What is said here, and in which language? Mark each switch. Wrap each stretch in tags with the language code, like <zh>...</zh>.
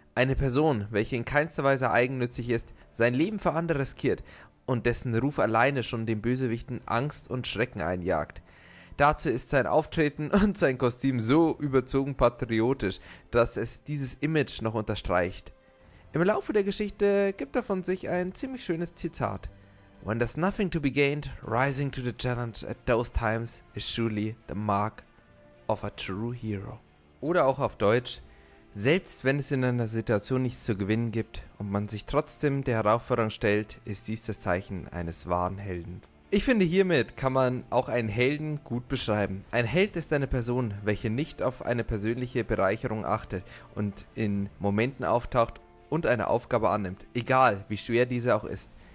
<de>Eine Person, welche in keinster Weise eigennützig ist, sein Leben für andere riskiert und dessen Ruf alleine schon den Bösewichten Angst und Schrecken einjagt. Dazu ist sein Auftreten und sein Kostüm so überzogen patriotisch, dass es dieses Image noch unterstreicht. Im Laufe der Geschichte gibt er von sich ein ziemlich schönes Zitat.</de> <en>When there's nothing to be gained, rising to the challenge at those times is surely the mark of a true hero.</en> <de>Oder auch auf Deutsch. Selbst wenn es in einer Situation nichts zu gewinnen gibt und man sich trotzdem der Herausforderung stellt, ist dies das Zeichen eines wahren Helden. Ich finde, hiermit kann man auch einen Helden gut beschreiben. Ein Held ist eine Person, welche nicht auf eine persönliche Bereicherung achtet und in Momenten auftaucht und eine Aufgabe annimmt, egal wie schwer diese auch ist.</de>